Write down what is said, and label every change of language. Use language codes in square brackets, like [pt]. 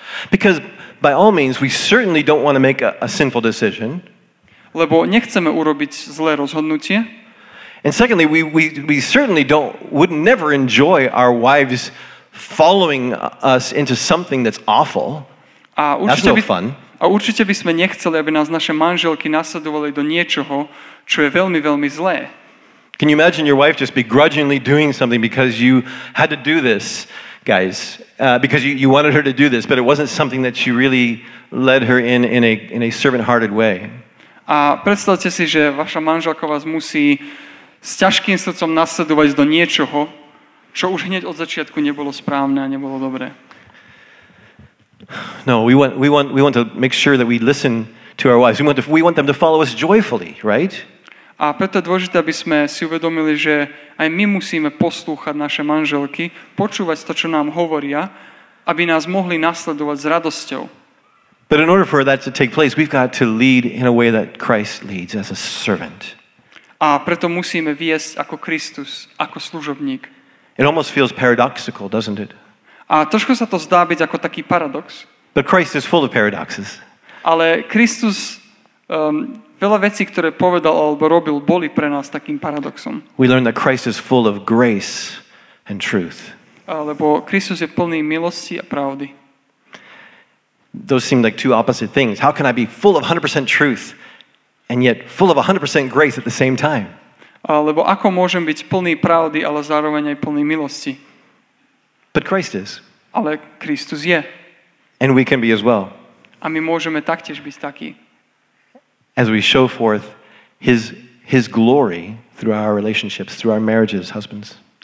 [en] Because by all means we certainly don't want to make a sinful decision. [sk] Lebo nechceme urobiť zlé rozhodnutie. [en] And secondly, we certainly would never enjoy our wives following us into something that's awful. [sk] A určite by sme nechceli, aby nás naše manželky nasledovali do niečoho, čo je veľmi, veľmi zlé. [en] Can you imagine your wife just begrudgingly doing something because you had to do this, guys? Because you wanted her to do this, but it wasn't something that she really led her in a servant-hearted way. [sk] A predstavte si, že vaša manželka vás musí s ťažkým srdcom nasledovať do niečoho, čo už hneď od začiatku nebolo správne a nebolo dobré. [en] No, we want to make sure that we listen to our wives. We want them to follow us joyfully, right? [sk] A preto je dôležité, aby sme si uvedomili, že aj my musíme poslúchať naše manželky, počúvať to, čo nám hovoria, aby nás mohli nasledovať s radosťou. [en] But in order for that to take place, we've got to lead in a way that Christ leads as a servant. [sk] A preto musíme viesť ako Kristus, ako služobník. [en] It almost feels paradoxical, doesn't it? [sk] A trošku sa to zdá byť ako taký paradox. [en] But Christ is full of paradoxes. [sk] Ale Kristus, veľa vecí, ktoré povedal alebo robil, boli pre nás takým paradoxom. [en] We learn that Christ is full of grace and truth. [sk] Lebo Kristus je plný milosti a pravdy. [en] Those seem like two opposite things. How can I be full of 100% truth and yet full of 100% grace at the same time? [sk] Lebo ako môžem byť plný pravdy, ale zároveň aj plný milosti? [en] But Christ is. [sk] Ale Kristus je. [en] And we can be as well. [sk] A my môžeme taktiež byť takí. [en] As we show forth his glory through our relationships, through our marriages, husbands.